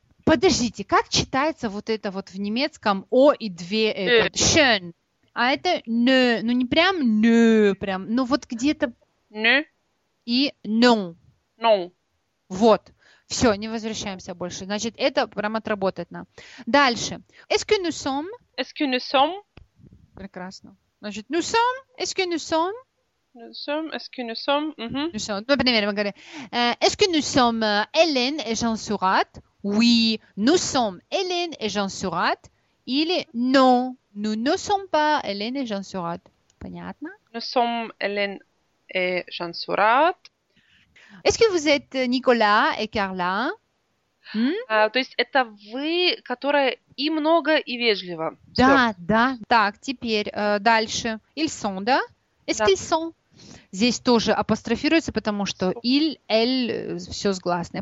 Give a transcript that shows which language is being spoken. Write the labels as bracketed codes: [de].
[ru] Подождите, как читается вот это вот в немецком о и две это? Э. [de] Schön. [ru] А это не, ну не прям не, прям, но вот где-то Не. и ну. Но. Вот. Все, не возвращаемся больше. Значит, это прям отработать нам. Дальше. [fr] Est-ce que nous sommes? Est-ce que nous sommes? [ru] Прекрасно. Значит, [fr] nous sommes? Est-ce que nous sommes? Est-ce Nous sommes. Est-ce que nous sommes Hélène et Jean Surat? Oui, nous sommes Hélène et Jean Surat. Il est non, nous ne sommes pas Hélène et Jean Surat. [ru] Понятно? [fr] Nous sommes Hélène et Jean Surat. Est-ce que vous êtes Nicolas et Carla? [ru] То есть это вы, которая и много, и вежливо. Все. Да. Так, теперь дальше. [fr] Ils sont, [ru] да? Est-ce Да. [fr] qu'ils sont? [ru] Здесь тоже апострофируется, потому что il, elle, все с гласной.